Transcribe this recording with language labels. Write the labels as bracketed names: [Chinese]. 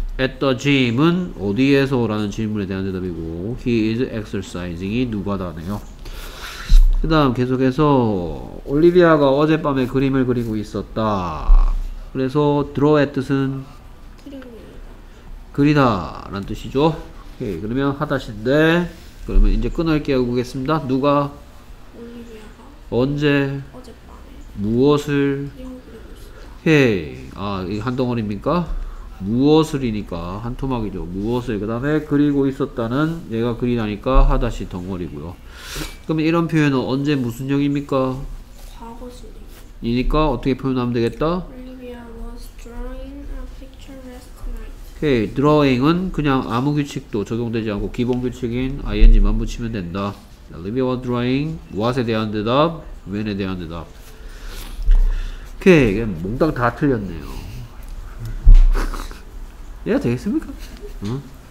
[English] At the gym [Korean] 은 어디에서? 라는 질문에 대한 대답이고 [English] He is exercising [Korean] 이 누가다네요. 그 다음 계속해서 올리비아가 어젯밤에 그림을 그리고 있었다. 그래서 draw의 뜻은? 그리다 라는 뜻이죠. 오케이, 그러면 하다시인데 그러면 이제 끊을게요. 보겠습니다. 누가? 올리비아가 언제? 무엇을? 오케이. 아, 이게 한 덩어리입니까? 무엇을이니까 한 토막이죠. 무엇을. 그 다음에 그리고 있었다는 얘가 그리다니까 하다시 덩어리고요. 그러면 이런 표현은 언제 무슨 형입니까? 과거시니까 어떻게 표현하면 되겠다? [English] Olivia was drawing a picture last night. [Korean] 오케이. Drawing은 그냥 아무 규칙도 적용되지 않고 기본 규칙인 ing만 붙이면 된다. [English] Olivia was drawing. [Korean] What에 대한 대답. When에 대한 대답. 오케이. 몽땅 다 틀렸네요. 이해가 되겠습니까? 응?